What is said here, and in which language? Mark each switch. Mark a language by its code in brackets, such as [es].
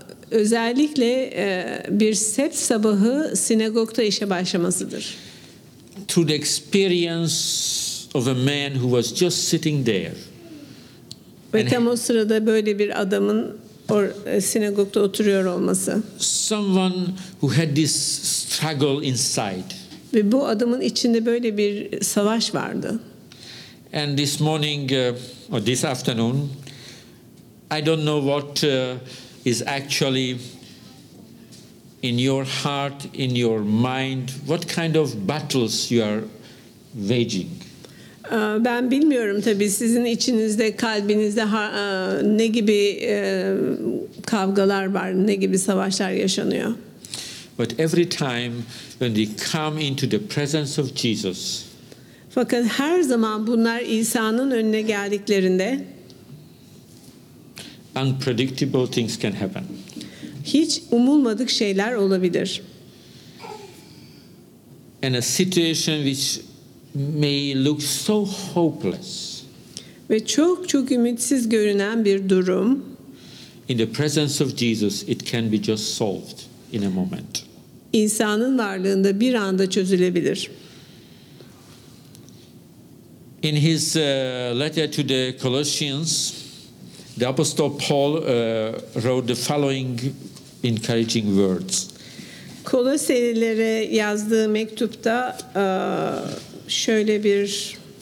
[tr] Özellikle bir Sabbat sabahı sinagogda işe başlamasıdır. [en] Through the experience of a man who was just sitting there. [tr] Ve tam o sırada böyle bir adamın sinagogda oturuyor olması. [en] Someone who had this struggle inside. [tr] Ve bu adamın içinde böyle bir savaş vardı. [en] And this morning or this afternoon, I don't know what is actually in your heart, in your mind, what kind of battles you are waging. [tr] Ben bilmiyorum tabii sizin içinizde, kalbinizde ne gibi kavgalar var, ne gibi savaşlar yaşanıyor. [en] But every time when we come into the presence of Jesus. [tr] Fakat her zaman bunlar İsa'nın önüne geldiklerinde [en] unpredictable things can happen. [tr] Hiç umulmadık şeyler olabilir. [en] In a situation which may look so hopeless. [tr] Ve çok çok ümitsiz görünen bir durum. [en] In the presence of Jesus it can be just solved in a moment. [tr] İsa'nın varlığında bir anda çözülebilir. [en] In his letter to the Colossians, the Apostle Paul wrote the following encouraging words. [tr] Koloselilere yazdığı mektupta şöyle bir